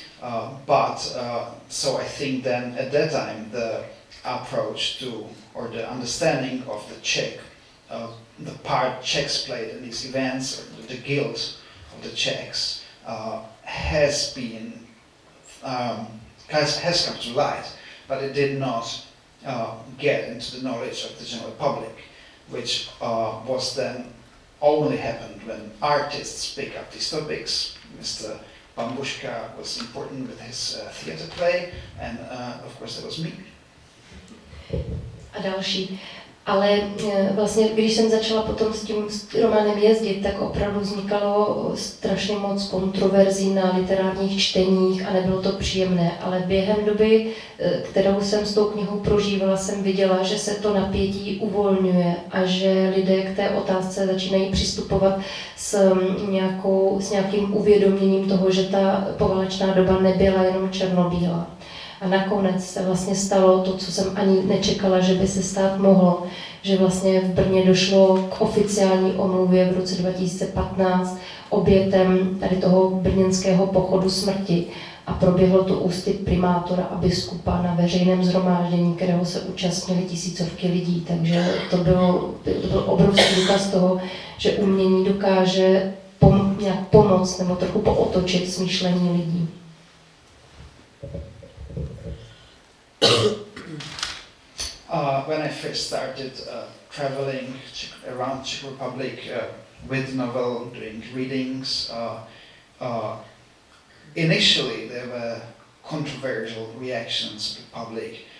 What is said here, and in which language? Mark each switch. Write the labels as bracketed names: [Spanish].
[English] So I think then at that time the approach to, or the understanding of the Czech, the part Czechs played in these events, or the guilt of the Czechs, has come to light, but it did not get into the knowledge of the general public, which was then only happened when artists pick up these topics. Mr. Bambuška was important with his theater play, and of course that was me. [Czech] A další. Ale vlastně, když jsem začala potom s tím románem jezdit, tak opravdu vznikalo strašně moc kontroverzí na literárních čteních a nebylo to příjemné. Ale během doby, kterou jsem s tou knihou prožívala, jsem viděla, že se to napětí uvolňuje a že lidé k té otázce začínají přistupovat s nějakým uvědoměním toho, že ta poválečná doba nebyla jenom černobílá. A nakonec se vlastně stalo to, co jsem ani nečekala, že by se stát mohlo, že vlastně v Brně došlo k oficiální omluvě v roce 2015 obětem tady toho brněnského pochodu smrti a proběhlo to ústy primátora a biskupa na veřejném shromáždění, kterého se účastnili tisícovky lidí. Takže to byl obrovský důkaz toho, že umění dokáže nějak pomoct nebo trochu pootočit smýšlení lidí. [English] When I first started traveling around Czech Republic with novel, doing readings, initially there were controversial reactions with the public.